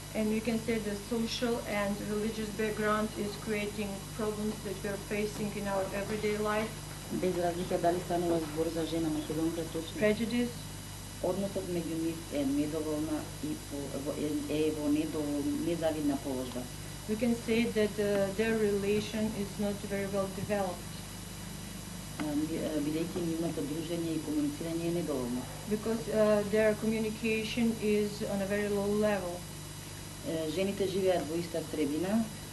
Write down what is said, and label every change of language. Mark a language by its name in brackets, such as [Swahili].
[English] And you can say the social and religious background is creating problems that we are facing in our everyday life. [Macedonian] Без разлика дали станува збор за жена македонка, точно. [English] Prejudice. [Macedonian] Односот меѓу нив е недоволна и во незавидна положба. [English] We can say that their relation is not very well developed. [Macedonian] Бидејќи нивното дружење и комуницирање е недоволно. [English] Because their communication is on a very low level. [Macedonian] Жените живеат во иста требина.